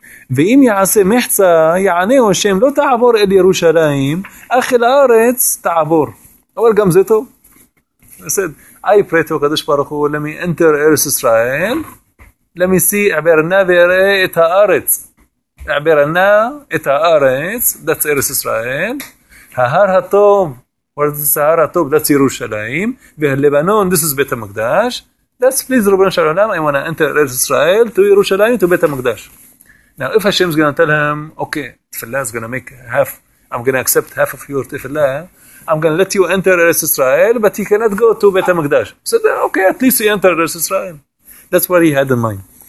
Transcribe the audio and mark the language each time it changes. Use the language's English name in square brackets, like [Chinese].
[Hebrew] ואם יעשה מחצה, יענה השם, לא תעבור אל ירושלים, אך אל הארץ תעבור. אבל גם זה טוב. [English] I said, I pray to הקדוש ברוך הוא, let me enter ארץ ישראל, let me see, [Hebrew] עברנה ויראה את הארץ. עברנה את הארץ, that's ארץ ישראל. ההר הטוב, [English] what is this [Hebrew] ההר הטוב, that's ירושלים. והלבנון, [English] this is [Hebrew] בית המקדש. [English] That's please, רבון של העולם, I want to enter ארץ ישראל, to ירושלים, to בית המקדש. Now, if Hashem is going to tell him, okay, Tefillah is going to make half, I'm going to accept half of your Tefillah, I'm going to let you enter Eretz Israel, but you cannot go to Beit HaMikdash. So, okay, at least you enter Eretz Israel. That's what he had in mind.